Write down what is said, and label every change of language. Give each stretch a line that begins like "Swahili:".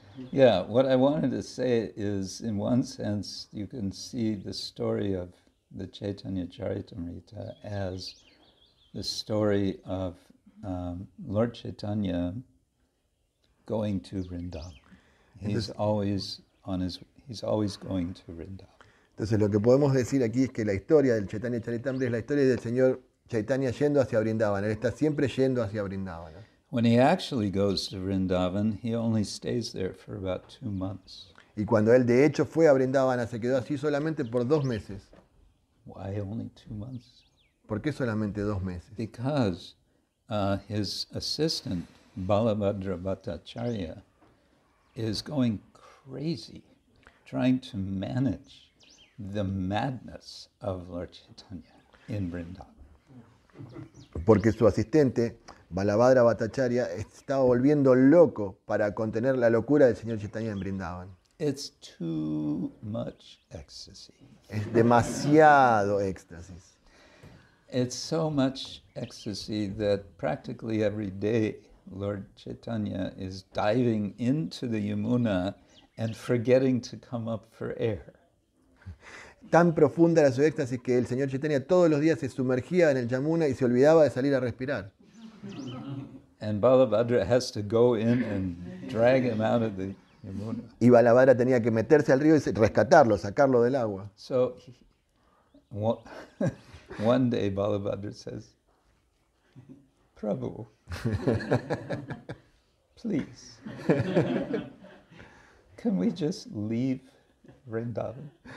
English: Yeah, what I wanted to say is, in one sense, you can see the story of the Chaitanya Charitamrita as the story of Lord Chaitanya going to Vrindavan. He's always going to Vrindavan.
Spanish: Entonces lo que podemos decir aquí es que la historia del Chaitanya Charitamrita es la historia del señor Chaitanya yendo hacia Vrindavan. Él está siempre yendo hacia Vrindavan.
English: When he actually goes to Vrindavan, he only stays there for about 2 months.
Spanish: Y cuando él de hecho fue a Vrindavan, se quedó así solamente por 2 meses.
English: Why only 2 months?
Spanish: ¿Por qué solamente 2 meses?
English: Because his assistant, Balabhadra Bhattacharya, is going crazy trying to manage the madness of Lord Chaitanya in Vrindavan.
Spanish: Porque su asistente, Balabhadra Bhattacharya, estaba volviendo loco para contener la locura del señor Chaitanya en Vrindavan.
English: It's too much ecstasy.
Spanish: Es demasiado éxtasis.
English: It's so much ecstasy that practically every day Lord Chaitanya is diving into the Yamuna and forgetting to come up for air.
Spanish: Tan profunda era su éxtasis que el señor Chaitanya todos los días se sumergía en el Yamuna y se olvidaba de salir a respirar.
English: And Balabhadra has to go in and drag him out of the Yamuna.
Spanish: Y Balabhadra tenía que meterse al río y rescatarlo, sacarlo del agua.
English: So one day Balabhadra says, Prabhu, please, can we just leave Vrindavan?